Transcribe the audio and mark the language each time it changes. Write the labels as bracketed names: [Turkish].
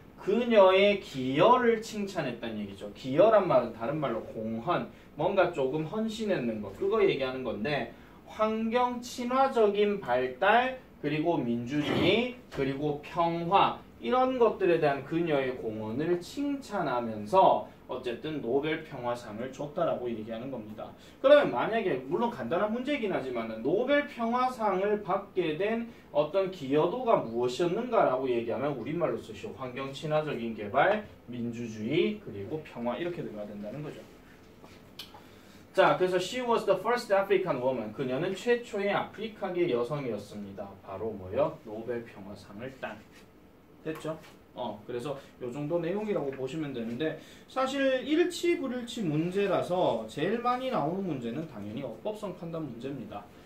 [Korean] 그녀의 기여를 칭찬했다는 얘기죠. 기여란 말은 다른 말로 공헌, 뭔가 조금 헌신했는 것, 그거 얘기하는 건데 환경 친화적인 발달, 그리고 민주주의, 그리고 평화 이런 것들에 대한 그녀의 공헌을 칭찬하면서 어쨌든 노벨 평화상을 줬다라고 얘기하는 겁니다. 그러면 만약에 물론 간단한 문제이긴 하지만 노벨 평화상을 받게 된 어떤 기여도가 무엇이었는가라고 얘기하면 우리말로 쓰시오. 환경 친화적인 개발, 민주주의, 그리고 평화 이렇게 들어가야 된다는 거죠. 자, 그래서 [English] she was the first African woman. [Korean] 그녀는 최초의 아프리카계 여성이었습니다. 바로 뭐요? 노벨 평화상을 딴. 됐죠? 그래서 요 정도 내용이라고 보시면 되는데 사실 일치 불일치 문제라서 제일 많이 나오는 문제는 당연히 어법성 판단 문제입니다.